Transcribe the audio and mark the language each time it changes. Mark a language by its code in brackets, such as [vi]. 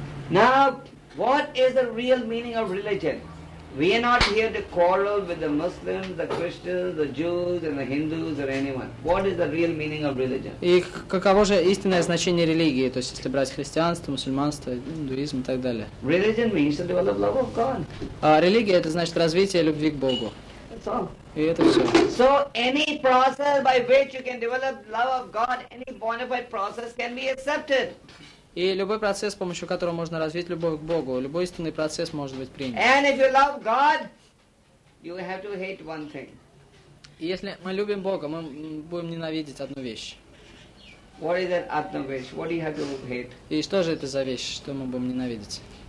[en] Now, what is the real meaning of religion? We are not here to quarrel with the Muslims, the Christians, the Jews, and the Hindus, or anyone. What is the real meaning of religion? [ru] И каково же истинное значение религии, то есть если брать христианство, мусульманство, индуизм и так далее? [en] Religion means to develop love of God. [ru] А религия это значит развитие любви к Богу. [en] That's all. [ru] И это все. [en] So any process by which you can develop love of God, any bona fide process can be accepted. [ru] И любой процесс, с помощью которого можно развить любовь к Богу, любой истинный процесс может быть принят. [en] And if you love God, you have to hate one thing. [ru] И если мы любим Бога, мы будем ненавидеть одну вещь. [en] What is that other wish? What do you have to hate? [ru] И что же это за вещь, что мы будем ненавидеть?